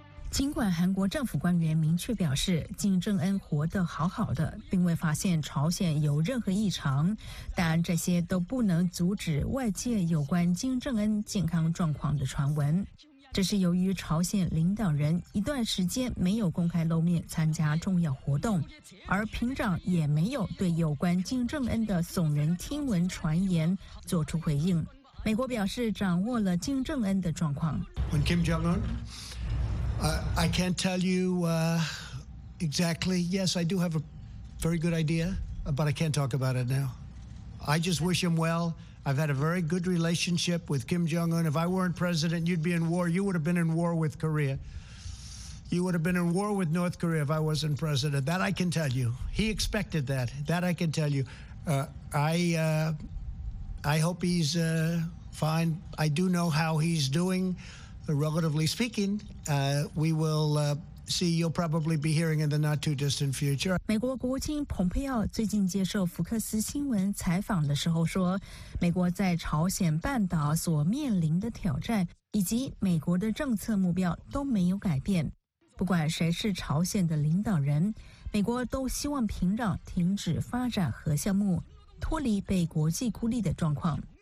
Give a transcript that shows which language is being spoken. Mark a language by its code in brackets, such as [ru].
[zh] 尽管韩国政府官员明确表示金正恩活得好好的，并未发现朝鲜有任何异常，但这些都不能阻止外界有关金正恩健康状况的传闻。这是由于朝鲜领导人一段时间没有公开露面参加重要活动，而平壤也没有对有关金正恩的耸人听闻传言做出回应。美国表示掌握了金正恩的状况。 [en] When Kim Jong Un, I can't tell you exactly. Yes, I do have a very good idea, but I can't talk about it now. I just wish him well. I've had a very good relationship with Kim Jong-un. If I weren't president, you'd be in war. You would have been in war with Korea. You would have been in war with North Korea if I wasn't president. That I can tell you. He expected that. That I can tell you. I hope he's fine. I do know how he's doing, relatively speaking. We will... See, you'll probably be hearing in the not too distant future. [zh] 美国国务卿蓬佩奥最近接受福克斯新闻采访的时候说，美国在朝鲜半岛所面临的挑战以及美国的政策目标都没有改变。不管谁是朝鲜的领导人，美国都希望平壤停止发展核项目，脱离被国际孤立的状况。